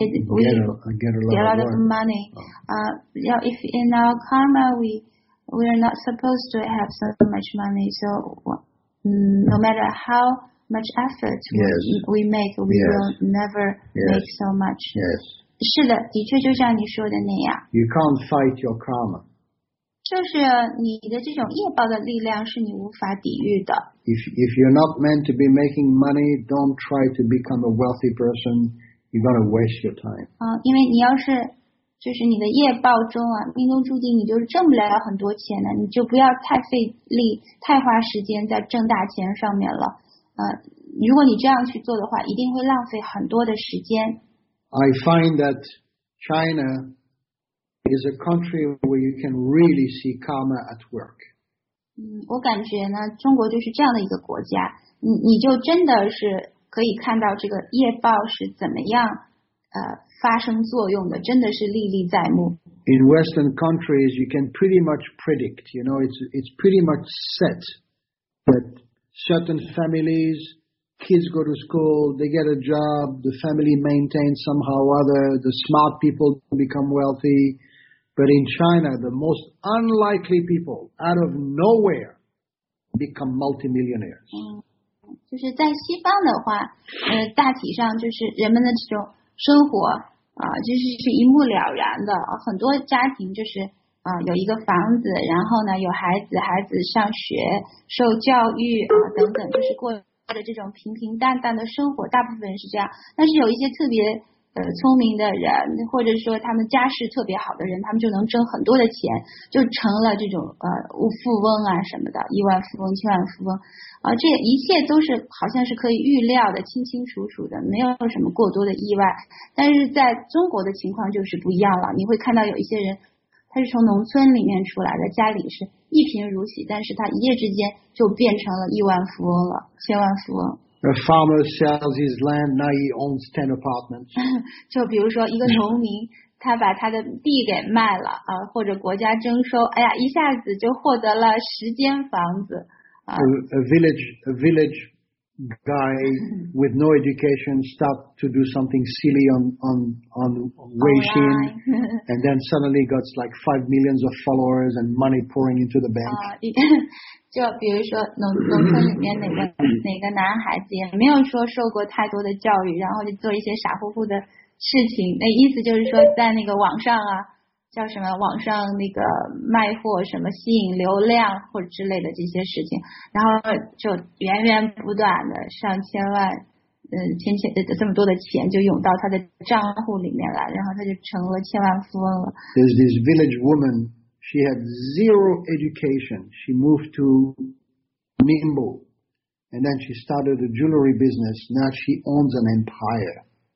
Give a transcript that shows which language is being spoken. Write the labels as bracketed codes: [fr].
[en] we get a lot of money. If in our karma we are not supposed to have so much money, so no matter how much effort we make, we will never make so much. Yes. [zh] 是的，的确就像你说的那样。 [en] You can't fight your karma. [zh] 就是你的这种业报的力量是你无法抵御的。 [en] If you're not meant to be making money, don't try to become a wealthy person. You're gonna waste your time. [zh] 因为你要是就是你的业报中啊，命中注定你就挣不了很多钱的，你就不要太费力、太花时间在挣大钱上面了。如果你这样去做的话，一定会浪费很多的时间。 [en] I find that China. Is a country where you can really see karma at work. [zh] 我感觉呢，中国就是这样的一个国家，你就真的是可以看到这个业报是怎么样发生作用的，真的是历历在目。 [en] In Western countries, you can pretty much predict. You know, it's pretty much set that certain families, kids go to school, they get a job, the family maintains somehow or other, the smart people become wealthy. But in China, the most unlikely people out of nowhere become multimillionaires. [zh] 就是在西方的话，大体上就是人们的这种生活就是一目了然的。很多家庭就是有一个房子，然后呢有孩子上学、受教育等等，就是过的这种平平淡淡的生活，大部分是这样。但是有一些特别。聪明的人，或者说他们家世特别好的人，他们就能挣很多的钱，就成了这种富翁啊什么的，亿万富翁、千万富翁，这一切都是好像是可以预料的，清清楚楚的，没有什么过多的意外。但是在中国的情况就是不一样了，你会看到有一些人，他是从农村里面出来的，家里是一贫如洗，但是他一夜之间就变成了亿万富翁了，千万富翁。 [en] A farmer sells his land, now he owns 10 apartments. [zh] 就比如说一个农民他把他的地给卖了或者国家征收，哎呀，一下子就获得了十间房子。 [en] A village guy with no education stopped to do something silly on Weixin and then suddenly got like 5 million of followers and money pouring into the bank. [zh] 就比如说农村里面哪个男孩子也没有说受过太多的教育，然后就做一些傻乎乎的事情，那意思就是说在那个网上啊，叫什么网上那个卖货什么吸引流量或者之类的这些事情，然后就源源不断的上千万这么多的钱就涌到他的账户里面来，然后他就成了千万富翁了。 [en] There's this village woman, she had zero education, she moved to Ningbo and then she started a jewelry business, now she owns an empire.